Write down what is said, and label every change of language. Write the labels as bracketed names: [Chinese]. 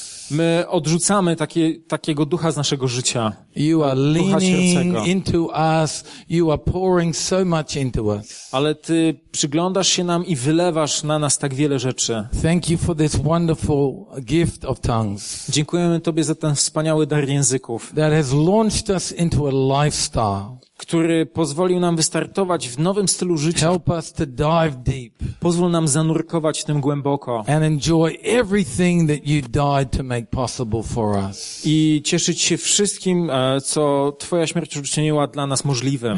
[Polish] My odrzucamy takiego ducha z naszego życia. [English] You are leaning into us, you are pouring so much into us. [Polish] Ale ty przyglądasz się nam i wylewasz na nas tak wiele rzeczy. [English] Thank you for this wonderful gift of tongues. [Polish] Dziękujemy tobie za ten wspaniały dar języków. [English] That has launched us into a lifestyle. [Polish] Który pozwolił nam wystartować w nowym stylu życia. [English] Help us to dive deep. [Polish] Pozwól nam zanurkować w tym głęboko. [English] And enjoy everything that you died to make possible for us. [Polish] I cieszyć się wszystkim, co twoja śmierć uczyniła dla nas możliwym.